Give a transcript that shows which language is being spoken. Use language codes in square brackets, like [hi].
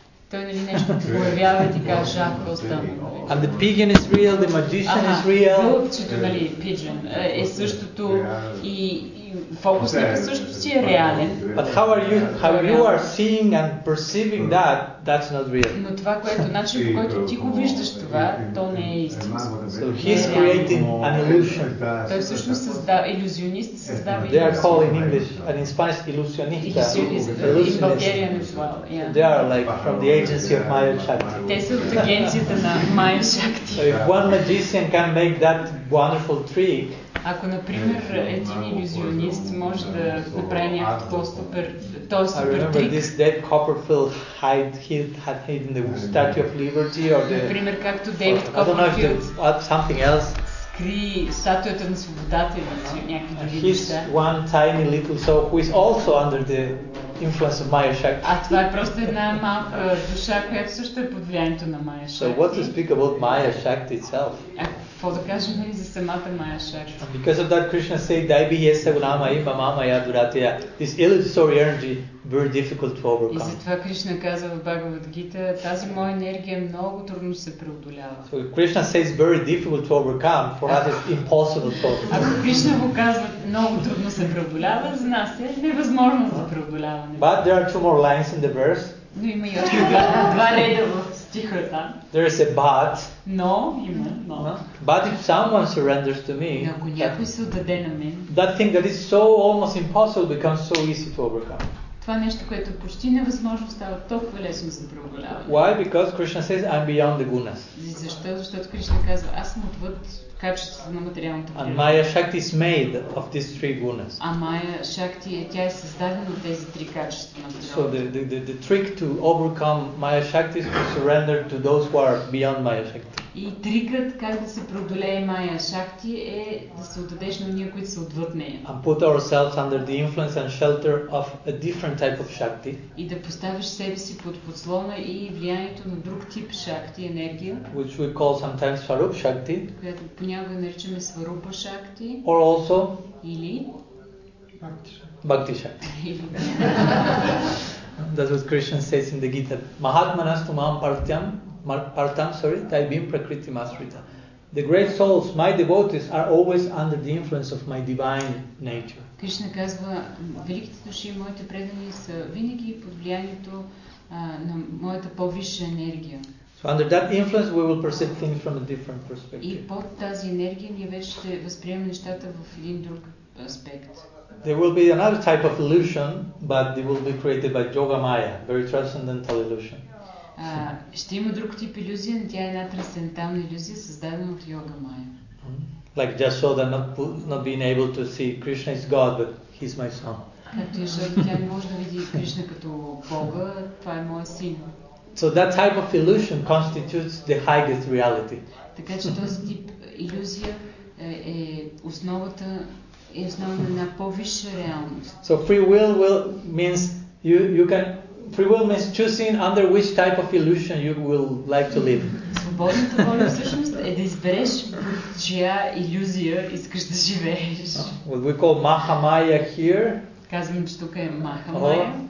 [bg] Той, нали, нещо появява и ти кажа, а какво стана? [en] And the pigeon is real, the magician is real. [bg] Вълчето, нали, pigeon, е същото и фокусника също си е реален. [en] But how you are seeing and perceiving that, that's not real. [bg] Но това, което, начин по който ти го виждаш това, то не е истинско. [en] So he's creating an illusion. [bg] Той всъщност създава, иллюзионист създава иллюзион. [en] They are called in English and in Spanish illusionista. They are like from the agency of Maya Shakti. [bg] Те са от агенцията на Maya Shakti. [en] So if one magician can make that wonderful trick, [bg] Ако, например, един иллюзионист може да направи някакъв по-супер, той супер трик. [en] I remember this dead Copperfield had hidden the Statue of Liberty or the... [bg] Например, както Дейвид Копперфилд. [en] Something else. [bg] Скри статуята на свободата или някакви други неща. [en] He's one tiny little soul who is also under the influence of Maya Shakti. [bg] А това е просто една малка душа, която също е под влиянието на Maya Shakti. [en] So what to speak about Maya Shakti itself? [bg] Какво да кажем и за самата Maya Shakti? [en] Because of that Krishna said, [sa] Daibi yesa gunama ima mama ya duratya. [en] This illusory energy very difficult to overcome. [bg] И затова Кришна казва в Бхагавад Гита, тази моя енергия много трудно се преодолява. [en] So Krishna says very difficult to overcome, for us it's impossible to overcome. [bg] Ако Кришна го казва много трудно се преодолява, за нас е невъзможно за преодоляване. [en] But there are two more lines in the verse. [bg] Но има и още два реда в стиха там. [en] There is a but. [bg] Но, има, но. [en] But if someone surrenders to me, [bg] ако някой се отдаде на мен, [en] that thing that is so almost impossible becomes so easy to overcome. [bg] Това нещо, което почти невъзможно, става толкова лесно за преодоляване. [en] Why? Because Krishna says, I'm beyond the gunas. [bg] Защо? Защото Кришна казва, аз съм отвъд качеството на материалната природа. [en] And Maya Shakti is made of these three gunas. [bg] А Maya Shakti, тя е създадена от тези три качества на природа. [en] So the trick to overcome Maya Shakti is to surrender to those who are beyond Maya Shakti. [bg] И трикът как да се преодолее Maya Shakti е да се отдадеш на ние, които са отвъд нея. [en] And put ourselves under the influence and shelter of a different type of Shakti. [bg] И да поставиш себе си под подслона и влиянието на друг тип Shakti, енергия. [en] Which we call sometimes Swarup Shakti. [bg] Която понякога наричаме Swarupa Shakti. [en] Or also... [bg] Или... [en] Bhakti Shakti. That's what Krishna says in the Gita. [sa] Mahatmanastumam partyam. Partam, sorry, Taibim Prakriti Masrita. [en] The great souls, my devotees, are always under the influence of my divine nature. [bg] Кришна казва, великите души, моите предани са винаги под влиянието на моята по-висша енергия. [en] So under that influence we will perceive things from a different perspective. [bg] И под тази енергия ние вече ще възприемем нещата в един друг аспект. [en] There will be another type of illusion, but they will be created by Yoga Maya, very transcendental illusion. [bg] Ще има друг тип иллюзия, но тя е една трансцендентална иллюзия, създадена от Йога Майя. [en] Like Yashoda not being able to see Krishna is God, but he's my son. [bg] Както Йошода, тя не може да види Кришна като Бога, това е моя син. [en] So that type of illusion constitutes the highest reality. [bg] Така че този тип иллюзия е основата, е основана на по-висша реалност. [en] So free will means you can... Free will means choosing under which type of illusion you will like to live. [bg] Свободната воля всъщност е да избереш чия иллюзия искаш да живееш. [en] What we call Mahamaya here. [bg] Казвам, че тук е Mahamaya.